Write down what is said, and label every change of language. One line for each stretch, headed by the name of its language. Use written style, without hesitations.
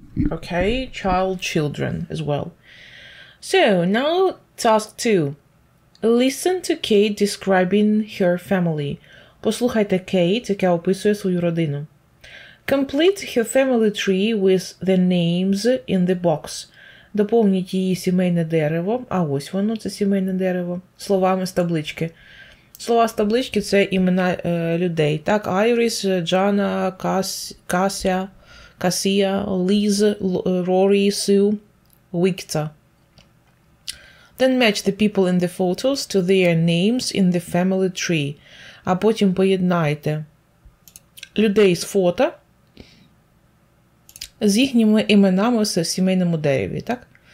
English: Okay, child, children as well. So, now task two. Listen to Kate describing her family.
Ukrainian: Послухайте Кейт, яка описує свою родину.
English: Complete her family tree with the names in the box.
Ukrainian: Доповніть її сімейне дерево, а ось воно, це сімейне дерево, словами з таблички. Слова з таблички – це імена людей. Так, Айріс, Джана, Кася, Касія, Ліз, Рорі, Сю, Вікта.
English: Then match the people in the photos to their names in the family tree.
Ukrainian: А потім поєднайте людей з фото з їхніми іменами в сімейному дереві, так?